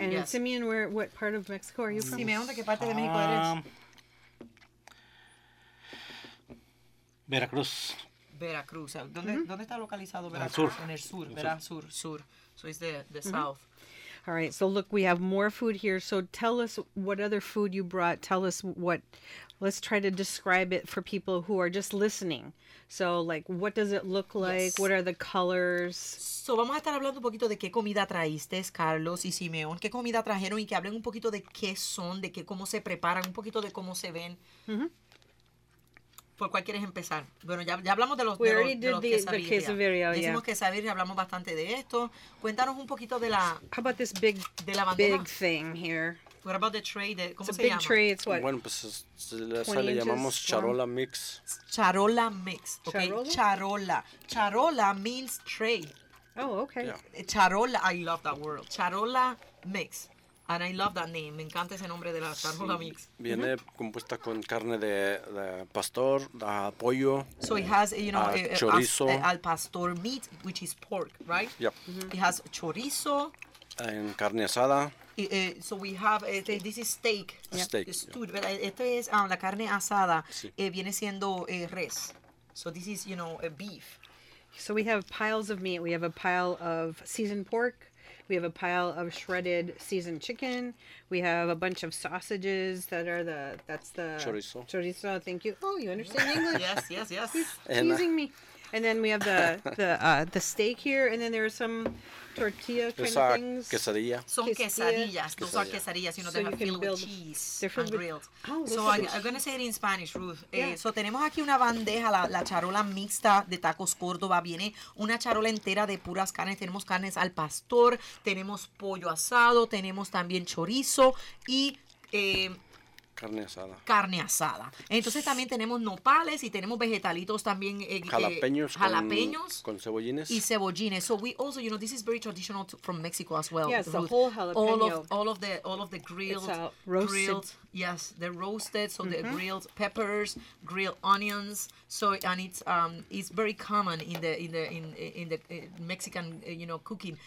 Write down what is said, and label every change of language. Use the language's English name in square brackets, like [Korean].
[English] And Simeon, what part of Mexico are you from? [Spanish] Simeon, ¿de qué parte de México eres? Veracruz. Veracruz. ¿Dónde está localizado Veracruz? En el sur. [English] So it's the mm-hmm. south. All right, so look, we have more food here. So tell us what other food you brought. Tell us what, let's try to describe it for people who are just listening. So, like, what does it look like? Yes. What are the colors? [Spanish] So, vamos a estar hablando un poquito de qué comida traíste, Carlos y Simeón. ¿Qué comida trajeron? Y que hablen un poquito de qué son, de qué, cómo se preparan, un poquito de cómo se ven. Mm-hmm. ¿Por cuál quieres empezar? Bueno, ya hablamos de los quesavirria. Hicimos quesavirria, hablamos bastante de esto. Cuéntanos un poquito de la... [English] How about this big, [Spanish] de la bandeja? [English] Big thing here? What about the tray? Tray, it's what? [Spanish] Bueno, pues le llamamos charola one. Mix. [English] Charola mix, okay? Charola. Charola means tray. Oh, okay. Yeah. Charola, I love that word. [Spanish] Charola mix. [English] And I love that name. [Spanish] Me encanta ese nombre de la charola mix. Viene compuesta con carne de pastor, de pollo. [English] So it has, chorizo. Al pastor meat, which is pork, right? Yep. Mm-hmm. It has chorizo. [Spanish] En carne asada. [English] So we have, this is steak. Steak. [Spanish] Esto es la carne asada. Sí. Viene siendo res. [English] So this is, beef. So we have piles of meat. We have a pile of seasoned pork. We have a pile of shredded seasoned chicken. We have a bunch of sausages that's the... Chorizo. Thank you. Oh, you understand English. Yes. He's teasing me. And then we have the steak here, and then there are some tortilla kind of things. Quesadilla. Son quesadillas. Those are quesadillas. They have filled with cheese and grilled. I'm going to say it in Spanish, Ruth. Yeah. [Spanish] So tenemos aquí una bandeja, la charola mixta de Tacos Córdoba. Viene una charola entera de puras carnes. Tenemos carnes al pastor, tenemos pollo asado, tenemos también chorizo y... Carne asada. Entonces también tenemos nopales y tenemos vegetalitos también. Jalapeños. Con cebollines. Y cebollines. [English] So we also, this is very traditional from Mexico as well. Yes, the whole jalapeno. All of the grilled. Roasted. Yes, they're roasted. So mm-hmm. the grilled peppers, grilled onions. So, and it's very common in the Mexican, cooking.